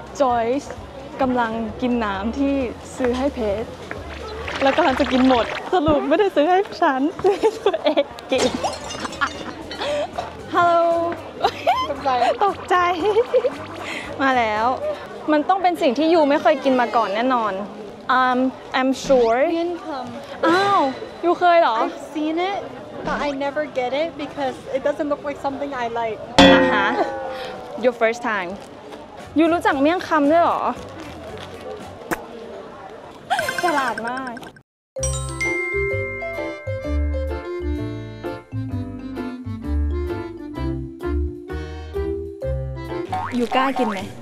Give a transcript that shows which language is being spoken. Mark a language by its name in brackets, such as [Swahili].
[Thai] Joyce กำลังกินน้ำที่ซื้อให้เพชรแล้วกำลังจะกินหมดสรุปไม่ได้ซื้อให้ฉันซื้อให้ตัวเองกินฮัลโหล ตกใจ ตกใจมาแล้วมันต้องเป็นสิ่งที่ยูไม่เคยกินมาก่อนแน่นอน [English] I'm sure [Thai] เมี่ยงคำ อ้าวยูเคยเหรอ [English] I've seen it but I never get it because it doesn't look like something I like Your first time [Thai] อยู่รู้จักเมี่ยงคำด้วยหรอฉลาดมากยูกล้ากินไหม